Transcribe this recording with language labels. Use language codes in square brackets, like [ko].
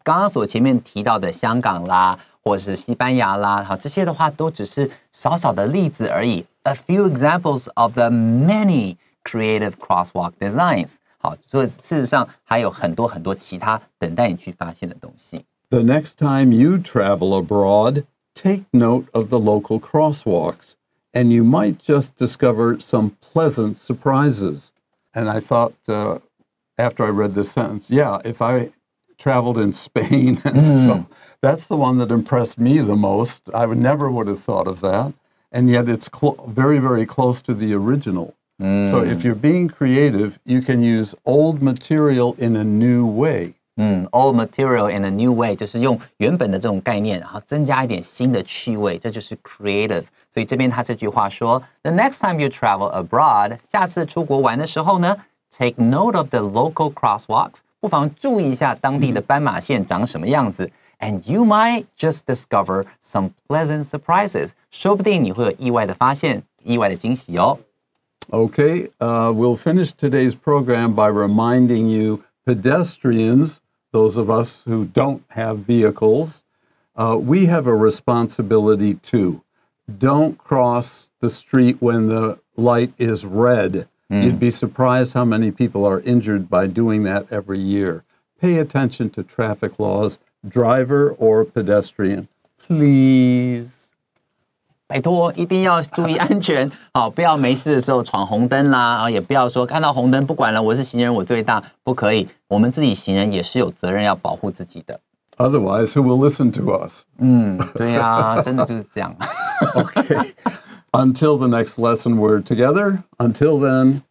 [zh] 刚刚所前面提到的香港啦，或是西班牙啦，好，这些的话都只是少少的例子而已。 [en] A few examples of the many creative crosswalk designs. [zh] 好，所以事实上还有很多很多其他等待你去发现的东西。 [en] The next time you travel abroad, take note of the local crosswalks. And you might just discover some pleasant surprises. And I thought, after I read this sentence, yeah, if I traveled in Spain, and so that's the one that impressed me the most. I never would have thought of that. And yet it's very, very close to the original. So if you're being creative, you can use old material in a new way. Old material in a new way, [zh] 就是用原本的这种概念，然后增加一点新的趣味，这就是 creative. 所以这边他这句话说 [en] The next time you travel abroad, [zh] 下次出国玩的时候呢 [en] take note of the local crosswalks, [zh] 不妨注意一下当地的斑马线长什么样子 [en] and you might just discover some pleasant surprises. [zh] 说不定你会有意外的发现，意外的惊喜哦。 [en] Okay, we'll finish today's program by reminding youPedestrians, those of us who don't have vehicles, we have a responsibility too. Don't cross the street when the light is red. You'd be surprised how many people are injured by doing that every year. Pay attention to traffic laws, driver or pedestrian, please. [zh] 拜托，一定要注意安全，好，不要没事的时候闯红灯啦，也不要说看到红灯不管了，我是行人，我最大，不可以。我们自己行人也是有责任要保护自己的。 [en] Otherwise, who will listen to us? [zh] 对啊，真的就是这样。 [en] Okay, until the next lesson, we're together. Until then,